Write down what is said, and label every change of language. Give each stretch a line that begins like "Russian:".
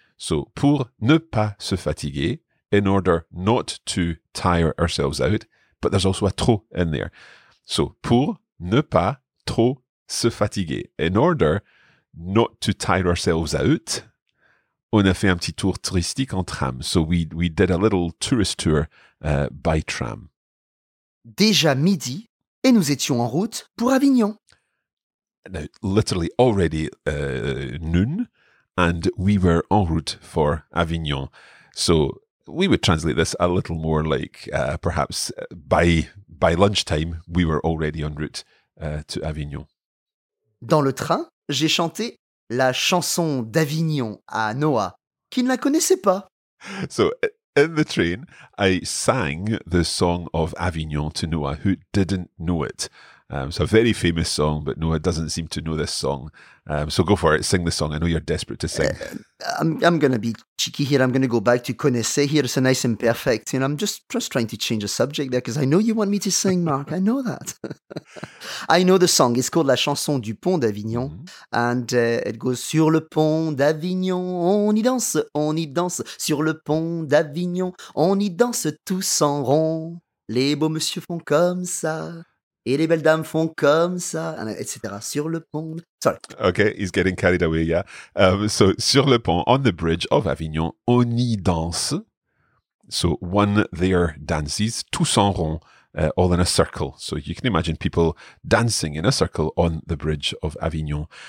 English: So pour ne pas se fatiguer, in order not to tire ourselves out, but there's also a trop in there. So pour ne pas trop se fatiguer, in order... not to tire ourselves out,
French: on a fait un petit tour touristique en tram.
English: So we did a little tourist tour by tram.
French: Déjà midi, et nous étions en route pour Avignon.
English: Now, literally already noon, and we were en route for Avignon. So we would translate this a little more like perhaps by lunchtime, we were already en route to Avignon.
French: Dans le train, j'ai chanté la chanson d'Avignon à Noah, qui ne la connaissait pas.
English: So, in the train, I sang the song of Avignon to Noah, who didn't know it. It's a very famous song, but Noah doesn't seem to know this song. So go for it, sing the song. I know you're desperate to sing. I'm going to be cheeky here. I'm going to go back to connaissez here. It's a nice imperfect. And I'm just trying to change the subject there because I know you want me to sing, Mark. I know that. I know the song. It's called La Chanson du Pont d'Avignon. Mm-hmm. And it goes,
French: sur le pont d'Avignon, on y danse, sur le pont d'Avignon, on y danse tous en rond. Les beaux messieurs font comme ça. Et les belles dames font comme ça, etc. Sur le pont.
English: Sorry. Okay, he's getting carried away, yeah. So, sur le pont, on the bridge of Avignon, on y danse. So, one there dances,
French: tous en rond,
English: all in a circle. So, you can imagine people dancing in a circle on the bridge of Avignon.